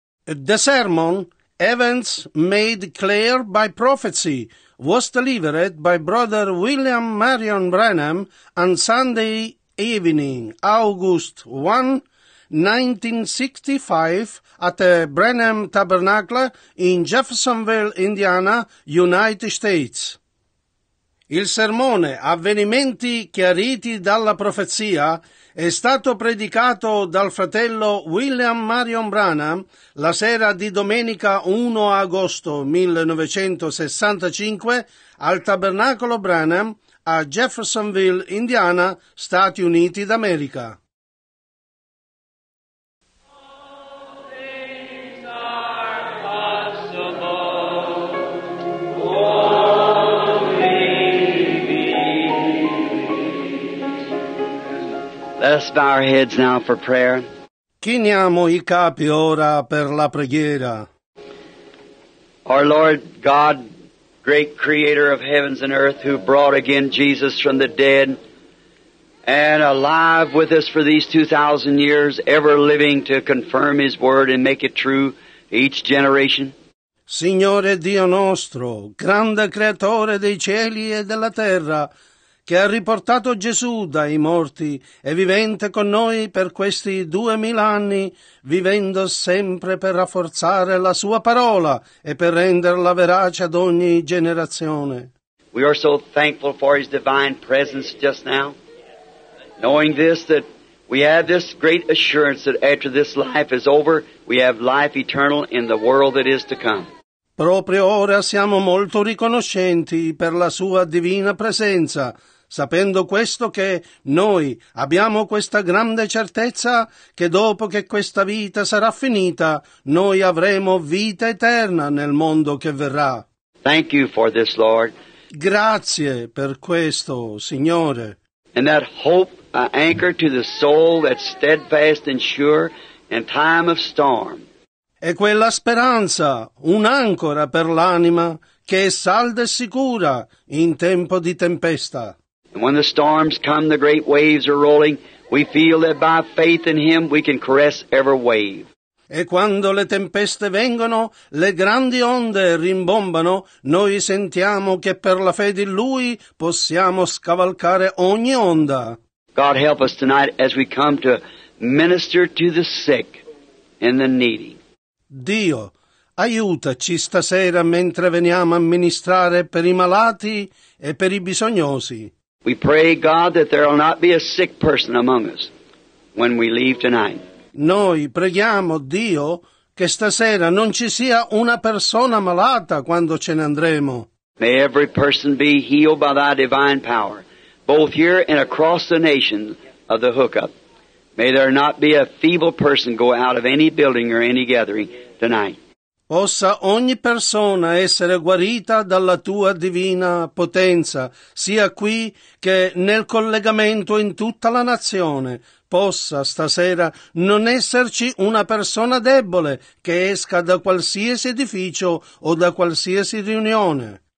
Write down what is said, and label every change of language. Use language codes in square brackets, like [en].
[en] The sermon, Events Made Clear by Prophecy, was delivered by Brother William Marion Branham on Sunday evening, August 1, 1965, at the Branham Tabernacle in Jeffersonville, Indiana, United States. [it] Il sermone Avvenimenti chiariti dalla profezia è stato predicato dal fratello William Marion Branham la sera di domenica 1 agosto 1965 al Tabernacolo Branham a Jeffersonville, Indiana, Stati Uniti d'America. [en] Let's bow our heads now for prayer. [it] Chiniamo i capi ora per la preghiera. [en] Our Lord God, great creator of heavens and earth, who brought again Jesus from the dead and alive with us for these 2,000 years, ever living to confirm his word and make it true each generation. [it] Signore Dio nostro, grande creatore dei cieli e della terra, che ha riportato Gesù dai morti e vivente con noi per questi 2000 anni, vivendo sempre per rafforzare la sua parola e per renderla verace ad ogni generazione. [en] We are so thankful for his divine presence just now, knowing this, that we have this great assurance that after this life is over, we have life eternal in the world that is to come. [it] Proprio ora siamo molto riconoscenti per la sua divina presenza, sapendo questo che noi abbiamo questa grande certezza che dopo che questa vita sarà finita, noi avremo vita eterna nel mondo che verrà. [en] Thank you for this, Lord. [it] Grazie per questo, Signore. [en] And that hope, an anchor to the soul that's steadfast and sure in time of storm. [it] E quella speranza, un'ancora per l'anima, che è salda e sicura in tempo di tempesta. [en] And when the storms come, the great waves are rolling, we feel that by faith in him we can caress every wave. [it] E quando le tempeste vengono, le grandi onde rimbombano, noi sentiamo che per la fede in lui possiamo scavalcare ogni onda. [en] God help us tonight as we come to minister to the sick and the needy. [it] Dio, aiutaci stasera mentre veniamo a ministrare per i malati e per i bisognosi. [en] We pray, God, that there will not be a sick person among us when we leave tonight. [it] Noi preghiamo, Dio, che stasera non ci sia una persona malata quando ce ne andremo. [en] May every person be healed by thy divine power, both here and across the nation of the hookup. May there not be a feeble person go out of any building or any gathering tonight. [it] Possa ogni persona essere guarita dalla tua divina potenza, sia qui che nel collegamento in tutta la nazione. Possa stasera non esserci una persona debole che esca da qualsiasi edificio o da qualsiasi riunione.